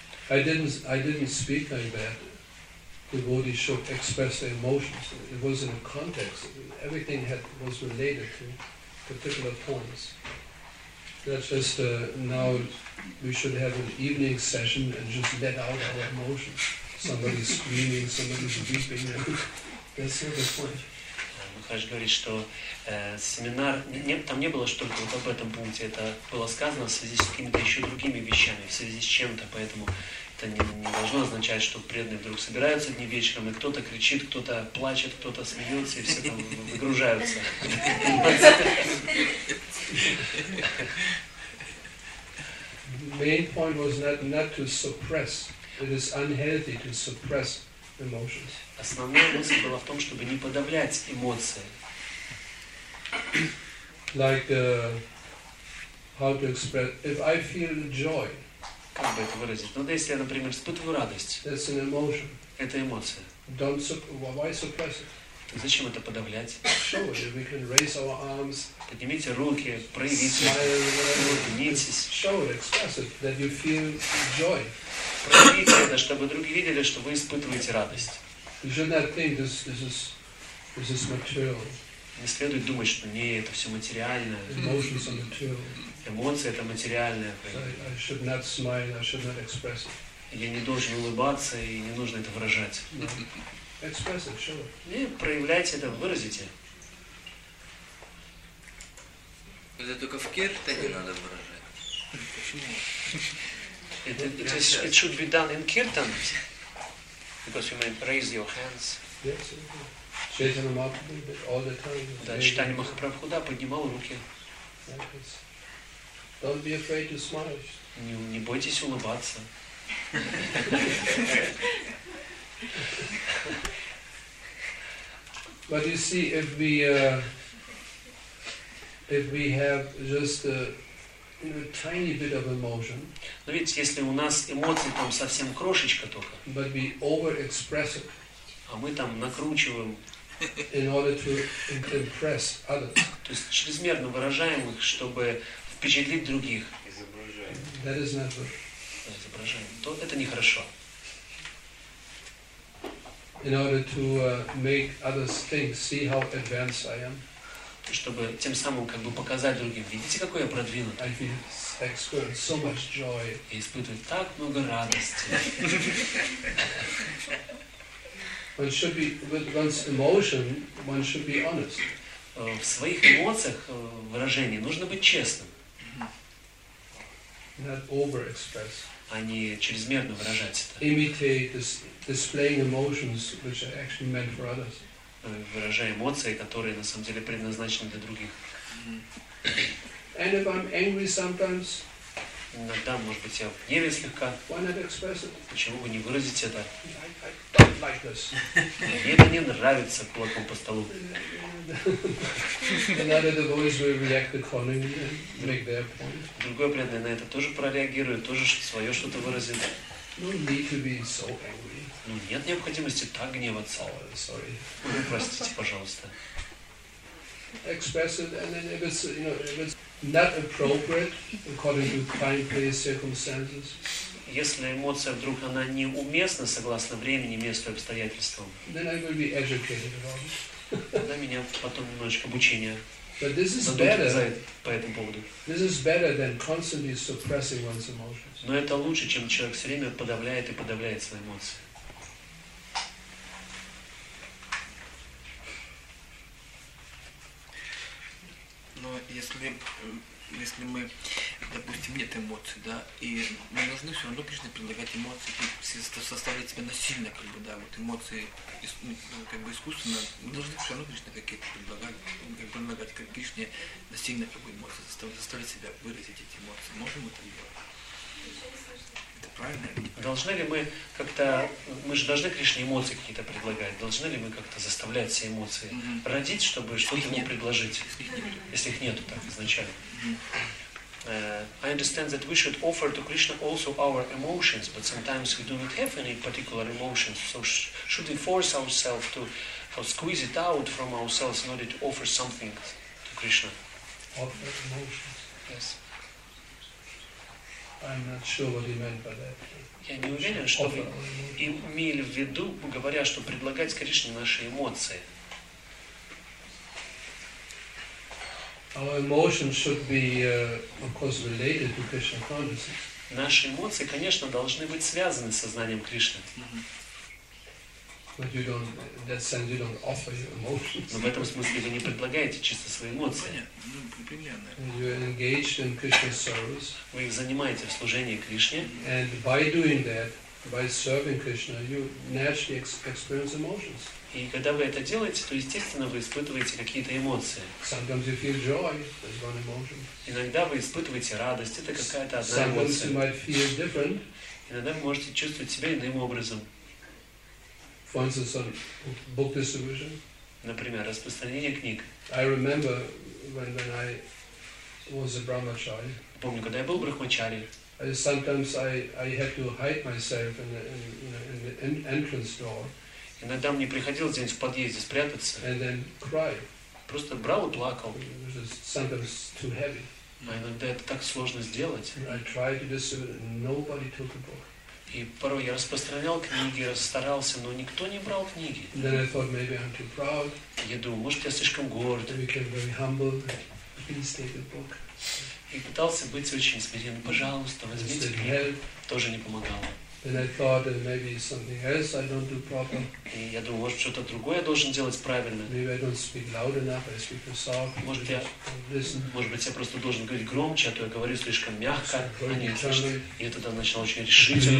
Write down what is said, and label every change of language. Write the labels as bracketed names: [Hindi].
[English] I didn't speak like that. Devotees should express their emotions. It was in a context. Everything was related to particular points. That's just now we should have an evening session and just let out our emotions. Somebody's screaming, somebody's weeping. That's not the point. [Russian] Махарадж говорит, что семинар, там не было что-то вот об этом пункте, это было сказано в связи с какими-то еще другими вещами, в связи с чем-то, поэтому это не должно означать, что преданные вдруг собираются дни вечером, и кто-то кричит, кто-то плачет, кто-то смеется, и все там выгружаются. [English] Main point was not to suppress. It is unhealthy to suppress emotions. [Russian] Основная мысль была в том, чтобы не подавлять эмоции. [English] Like how to express if I feel joy. [Russian] Как бы это выразить? Ну, да, если я, например, испытываю радость. [English] That's an emotion. [Russian] Это эмоция. [English] Don't why suppress it? [Russian] Так зачем это подавлять? [English] Sure, we can raise our arms. [Russian] Поднимите руки, проявите. Улыбнитесь. [English] Show it, express it, that you feel joy. [Russian] Проявите это, чтобы другие видели, что вы испытываете радость. [English] You should not think this is material. [Russian] Не следует думать, что не это все материальное. [English] Emotions are material. [Russian] Эмоции это материальное. [English] I should not smile. I should not express it. [Russian] Я не должен улыбаться и не нужно это выражать. [English] No. Express it, sure. [Russian] И проявляйте это, выразите. Это только в киртане надо выражать. Почему? [English] It should be done in kirtan. Because you may raise your hands. Yes, yes. Chaitanya Mahaprabhu did all the time. [Russian] Да, Чайтанья Махапрабху, да, поднимал руки. [English] Don't be afraid to smile. [Russian] Не бойтесь улыбаться. [English] But you see, if we have just a tiny bit of emotion. [Russian] Но ведь если у нас эмоции там совсем крошечка только. [English] But we overexpress it. [Russian] А мы там накручиваем. [English] In order to impress others. [Russian] То есть чрезмерно выражаем их, чтобы впечатлить других. Изображаем. [English] That is not good. [Russian] Изображаем. То это нехорошо. [English] In order to make others think, see how advanced I am. [Russian] Чтобы тем самым как бы показать другим, видите, какой я продвинутый. [English] I experience so much joy. [Russian] И испытывает так много радости. [English] One should be with one's emotion, one should be honest. [Russian] В своих эмоциях выражении нужно быть честным. [English] Not overexpress. [Russian] А не чрезмерно выражать это. [English] Imitate this, displaying emotions which are actually meant for others. [Russian] Выражая эмоции, которые на самом деле предназначены для других. [English] And if I'm angry sometimes, [Russian] иногда, может быть, я в гневе слегка. [English] Why not express it? [Russian] Почему бы не выразить это? [English] I don't like this. [Russian] Мне это не нравится, кулаком по столу. [English] Another devotee will react accordingly and make their point. [Russian] Другой преданный на это тоже прореагирует, тоже свое что-то выразит. [English] No need to be so angry. [Russian] Ну нет необходимости так гневаться. [English] Oh, sorry. [Russian] Ну, простите, пожалуйста. [English] Express it, and then if it's, you know, if it's not appropriate according to time, place, circumstances. [Russian] Если эмоция вдруг она неуместна согласно времени, месту, обстоятельствам. [English] Then I will be educated about it. [Russian] Тогда меня потом немножечко обучение. [English] But this is better. [Russian] По этому поводу. [English] This is better than constantly suppressing one's emotions. [Russian] Но это лучше, чем человек все время подавляет и подавляет свои эмоции. Но если мы, допустим, нет эмоций, да, и мы должны все равно Кришне предлагать эмоции, составлять себя насильно, как бы, да, вот эмоции, как бы искусственно, мы должны все равно Кришне какие-то предлагать, как Кришне насильно, как бы, эмоции, заставлять себя выразить эти эмоции. Можем это делать? Это правильно или неправильно? Должны ли мы как-то, мы же должны Кришне эмоции какие-то предлагать, должны ли мы как-то заставлять все эмоции родить, чтобы что-то ему предложить? Если их нету так изначально. [English] I understand that we should offer to Krishna also our emotions, but sometimes we do not have any particular emotions. So should we force ourselves to squeeze it out from ourselves in order to offer something to Krishna? Offer emotions? Yes. I'm not sure what you meant by that. [Russian] Я не уверен, что вы имели в виду, говоря, что предлагать Кришне наши эмоции. [English] Our emotions should be, of course, related to Krishna consciousness. [Russian] Наши эмоции, конечно, должны быть связаны с сознанием Кришны. [English] But you don't, in that sense, you don't offer your emotions. [Russian] Но в этом смысле вы не предлагаете чисто свои эмоции. [English] You are engaged in Krishna's service. [Russian] Вы их занимаете в служении Кришне. [English] And by doing that, by serving Krishna, you naturally experience emotions. [Russian] И когда вы это делаете, то естественно вы испытываете какие-то эмоции. [English] Sometimes you feel joy. That's one emotion. [Russian] Иногда вы испытываете радость. Это какая-то одна [English] Sometimes [Russian] эмоция. [English] Sometimes you might feel different. [Russian] Иногда вы можете чувствовать себя иным образом. [English] For instance, on book distribution. [Russian] Например, распространение книг. [English] I remember when I was a brahmachari. [Russian] Помню, когда я был брахмачари. [English] Sometimes I had to hide myself in the entrance door. [Russian] Иногда мне приходилось где-нибудь в подъезде спрятаться. [English] And then cry. [Russian] Просто брал и плакал. [English] It was sometimes too heavy. [Russian] А иногда это так сложно сделать. [English] And I tried to distribute, nobody took a book. [Russian] И порой я распространял книги, старался, но никто не брал книги. [English] Then I thought maybe I'm too proud. [Russian] Я думал, может, я слишком горд. [English] I became very humble. Please take the book. [Russian] И пытался быть очень смиренным. Пожалуйста, возьмите книгу. Тоже не помогало. [English] Then I thought that maybe something else I don't do proper. [Russian] И я думал, может, что-то другое я должен делать правильно. [English] Maybe I don't speak loud enough. I speak too soft. [Russian] Может, я, может быть, я просто должен говорить громче, а то я говорю слишком мягко. Они слышат. И это там начало очень решительно.